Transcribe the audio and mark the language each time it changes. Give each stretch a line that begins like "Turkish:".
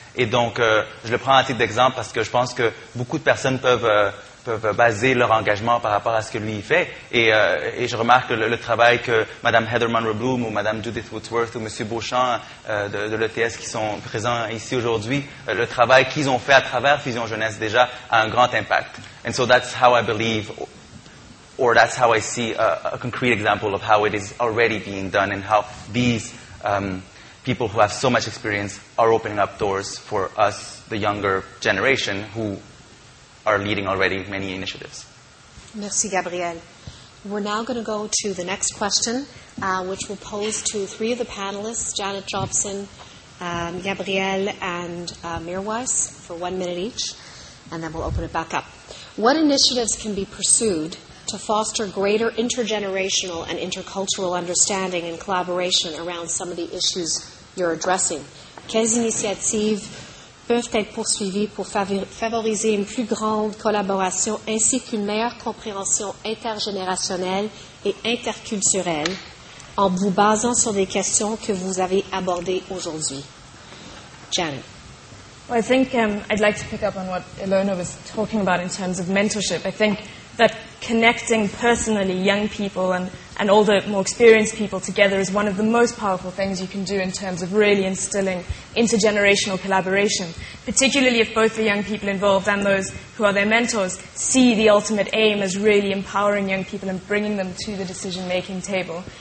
French: Et donc, je le prends à titre d'exemple parce que je pense que beaucoup de personnes peuvent baser leur engagement par rapport à ce que lui fait. Et je remarque le travail que Mme Heather Munro-Bloom ou Mme Judith Woodsworth ou M. Beauchamp de l'ETS qui sont présents ici aujourd'hui, le travail qu'ils ont fait à travers Fusion Jeunesse déjà a un grand impact.
English: And so that's how I believe, or that's how I see a concrete example of how it is already being done and how these people who have so much experience are opening up doors for us, the younger generation, who are leading already many initiatives.
French: Merci, Gabriel.
English: We're now going to go to the next question, which we'll pose to three of the panelists, Janet Jobson, Gabriel, and Mirwais, for 1 minute each, and then we'll open it back up. What initiatives can be pursued to foster greater intergenerational and intercultural understanding and collaboration around some of the issues you're addressing?
French: Quelles initiatives peuvent être poursuivies pour favoriser une plus grande collaboration ainsi qu'une meilleure compréhension intergénérationnelle et interculturelle en vous basant sur des questions que vous avez abordées aujourd'hui?
English: Janet. Well, I think I'd like to pick up on what Ilona was talking about in terms of mentorship. I think that connecting personally young people and older, more experienced people together is one of the most powerful things you can do in terms of really instilling intergenerational collaboration, particularly if both the young people involved and those who are their mentors see the ultimate aim as really empowering young people and bringing them to the decision-making table.